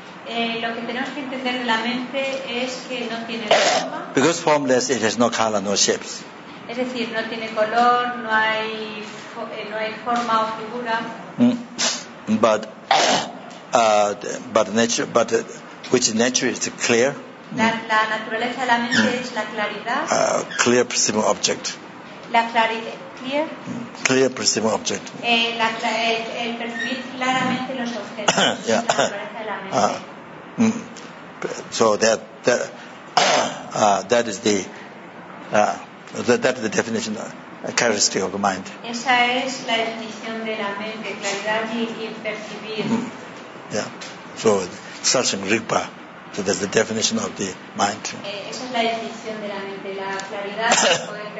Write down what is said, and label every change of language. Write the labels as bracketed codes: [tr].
[en] Because formless, it has no color, no shapes. [es] Es decir, no tiene color, no hay no hay forma o figura. [en] But which nature is clear? [es] La naturaleza de la mente es la claridad. [en] Clear perceivable object. [es] La claridad. [en] Clear perceivable object. [es] El percibir claramente los objetos. [en] Yeah. So that is the that is the definition, a characteristic of the mind. [es] Esa es la definición de la mente, claridad y percibir. [en] Yeah. So such in Rigpa, so that's the definition of the mind. [es] Esa es la definición de la mente, la claridad y poder.